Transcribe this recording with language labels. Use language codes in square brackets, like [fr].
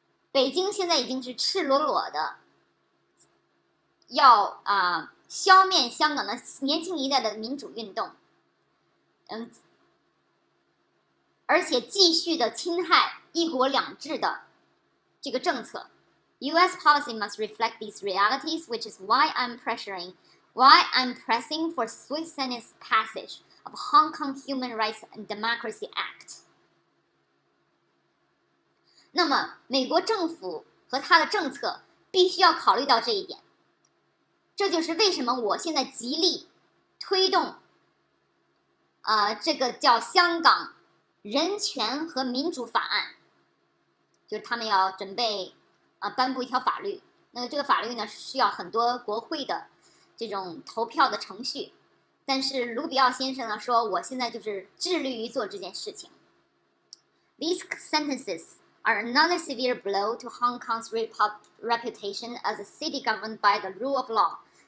[zh] 北京现在已经是赤裸裸的要消灭香港的年轻一代的民主运动，而且继续的侵害一国两制的这个政策。 [en] U.S. policy must reflect these realities, which is why I'm pressing for swift Senate passage of Hong Kong Human Rights and Democracy Act. [zh] 那么，美国政府和他的政策必须要考虑到这一点。这就是为什么我现在极力推动，这个叫香港人权和民主法案，就是他们要准备颁布一条法律。那么这个法律呢，需要很多国会的这种投票的程序。但是卢比奥先生呢说，我现在就是致力于做这件事情。 [en] These sentences are another severe blow to Hong Kong's reputation as a city governed by the rule of law.